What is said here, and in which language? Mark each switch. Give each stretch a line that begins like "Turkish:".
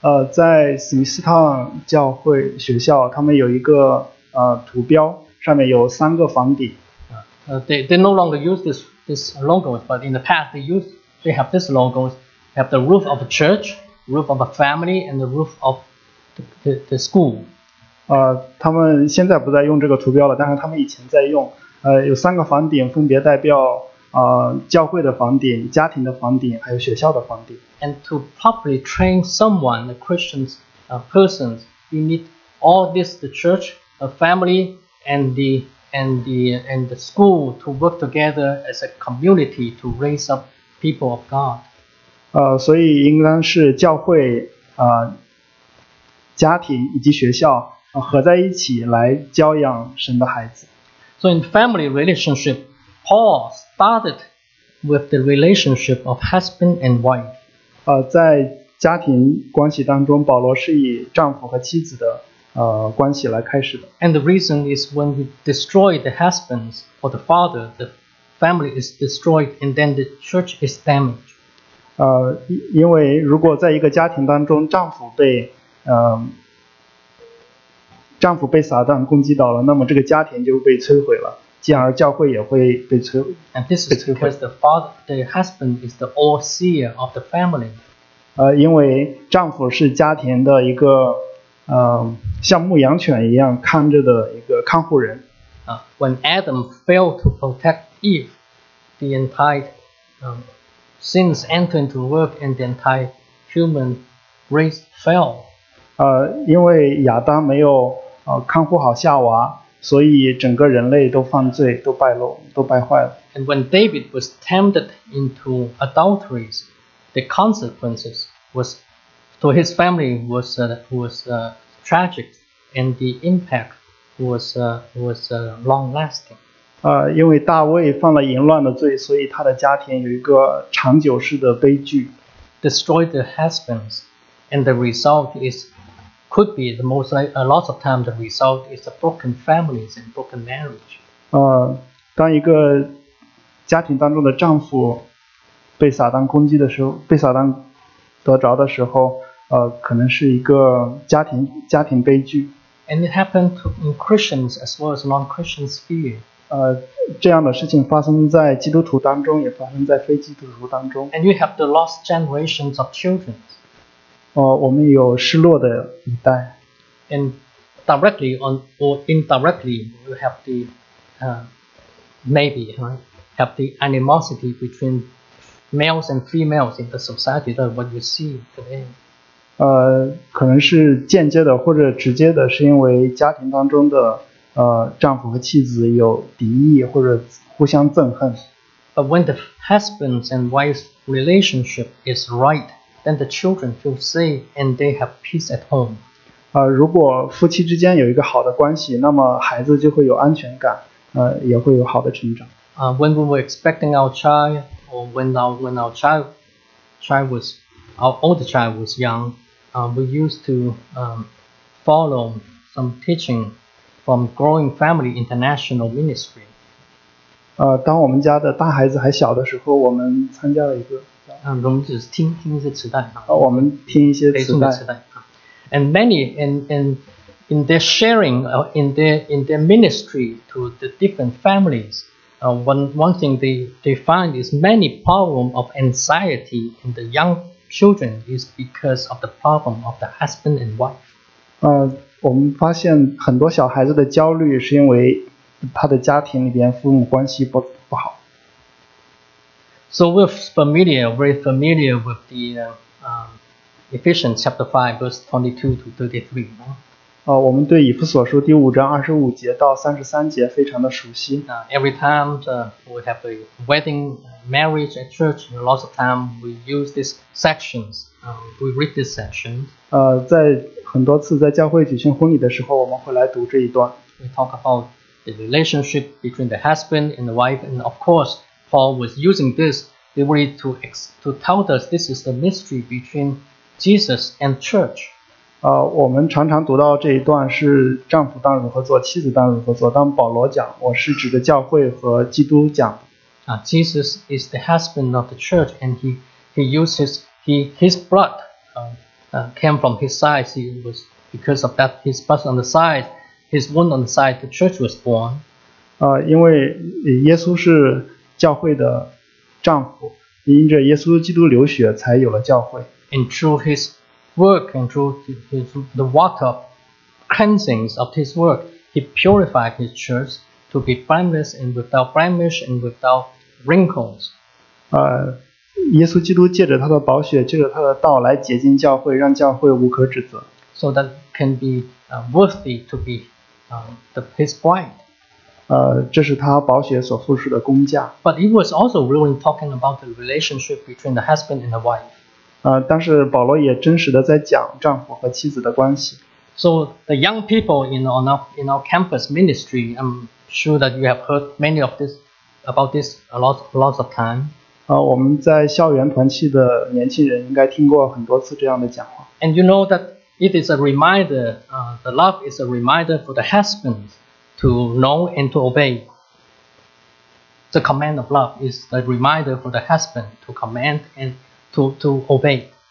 Chinese: 在史密斯汤教会学校，他们有一个图标，上面有三个房顶。
English: They no longer use this logo, but in the past they have this logo. They have the roof of a church, roof of a family, and the roof of the school.
Chinese: 他们现在不再用这个图标了，但是他们以前在用。有三个房顶，分别代表教会的房顶、家庭的房顶，还有学校的房顶。
English: And to properly train someone, a Christian person, you need all this: the church, a family, and the school to work together as a community to raise up people of God.
Chinese: 所以应当是教会、家庭以及学校、合在一起来教养神的孩子。
English: So in family relationship, Paul started with the relationship of husband and wife.
Chinese: 在家庭关系当中，保罗是以丈夫和妻子的关系来开始的。
English: And the reason is when you destroy the husbands or the father, the family is destroyed and then the church is damaged.
Chinese: 因为如果在一个家庭当中丈夫被撒旦攻击到了，那么这个家庭就被摧毁了。进而教会也会被摧毁。
English: And this is because the father, the husband is the overseer of the family.
Chinese: 因为丈夫是家庭的一个，像牧羊犬一样看着的一个看护人。
English: When Adam failed to protect Eve, the entire sins entered into work and the entire human race fell.
Chinese: 因为亚当没有看护好夏娃。所以整个人类都犯罪，都败落，都败坏了。
English: And when David was tempted into adultery, the consequences was to his family was tragic, and the impact was long lasting.
Chinese: 因为大卫犯了淫乱的罪，所以他的家庭有一个长久式的悲剧。
English: Destroyed the husbands, and the result is. Could be the most like a lot of time the result is a broken families and broken marriage.
Chinese: 当一个家庭当中的丈夫被撒旦攻击的时候，被撒旦得着的时候，可能是一个家庭悲剧。
English: And it happened to in Christians as well as non-Christian sphere.
Chinese: 这样的事情发生在基督徒当中，也发生在非基督徒当中。
English: And you have the lost generations of children.
Chinese: 我们有失落的一代。
English: And directly or indirectly, you have the, have the animosity between males and females in the society that what you see today.
Chinese: 可能是间接的或者直接的，是因为家庭当中的丈夫和妻子有敌意或者互相憎恨。
English: But when the husband's and wife's relationship is right,Then the children feel safe and they have peace at home.
Chinese: 如果夫妻之间有一个好的关系，那么孩子就会有安全感，也会有好的成长。
English: When we were expecting our child, or when our older child was young, we used to follow some teaching from Growing Family International Ministry.
Chinese: 当我们家的大孩子还小的时候，我们参加了一个。我们只是听一些磁带啊。我们听一些磁带。
English: And many in their sharing or in their ministry to the different families, one thing they find is many problem of anxiety in the young children is because of the problem of the husband and wife.
Chinese: 我们发现很多小孩子的焦虑是因为他的家庭里边父母关系不好。
English: So we're very familiar with the Ephesians chapter 5, verse 22 to 33.
Chinese: 我们对以弗所书第五章二十五节到三十三节非常的熟悉。
English: Every time we have a wedding, marriage at church, a lot of time we use these sections. We read this section.
Chinese: 在很多次在教会举行婚礼的时候，我们会来读这一段。
English: We talk about the relationship between the husband and the wife, and of course,Paul was using this theory to tell us this is the mystery between Jesus and church.
Chinese: 我们常常读到这一段是丈夫当如何做，妻子当如何做。当保罗讲，我是指着教会和基督讲。
English: Jesus is the husband of the church, and his blood came from his side. He was because of that his blood on the side, his wound on the side, the church was born.
Chinese: 因为耶稣是教会的丈夫，因着耶稣基督流血才有了教会。
English: And through his work and through his the water cleansings of his work, he purified his church to be blameless and without blemish and without wrinkles.
Chinese: 耶稣基督借着他的宝血，借着他的道来洁净教会，让教会无可指责。
English: So that can be worthy to be his bride.
Chinese: 这是他宝血所付出的工价。
English: But it was also really talking about the relationship between the husband and the wife.
Chinese: 但是保罗也真实的在讲丈夫和妻子的关系。
English: So the young people in our campus ministry, I'm sure that you have heard many of this about this lots of time.
Chinese: 我们在校园团契的年轻人应该听过很多次这样的讲话。
English: And you know that it is a reminder, the love is a reminder for the husband to know and to obey. The command of love is a reminder for the husband to command and to obey.